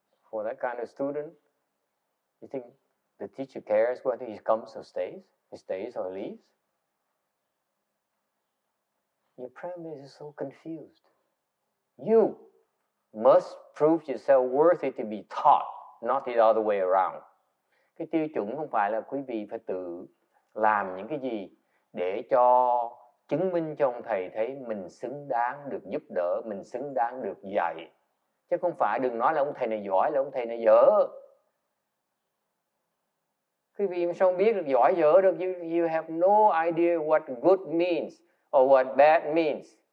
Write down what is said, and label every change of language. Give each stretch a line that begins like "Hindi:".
English: For that kind of student, you think the teacher cares whether he comes or stays? He stays or leaves? Your premise is so confused. You must prove yourself worthy to be taught. Not the other way around.
Vietnamese: Cái tiêu chuẩn không phải là quý vị phải tự làm những cái gì để cho chứng minh cho ông thầy thấy mình xứng đáng được giúp đỡ, mình xứng đáng được dạy. Chứ không phải đừng nói là ông thầy này giỏi, là ông thầy này dở. Quý vị sao không biết được giỏi dở được?
English: You have no idea what good means or what bad means.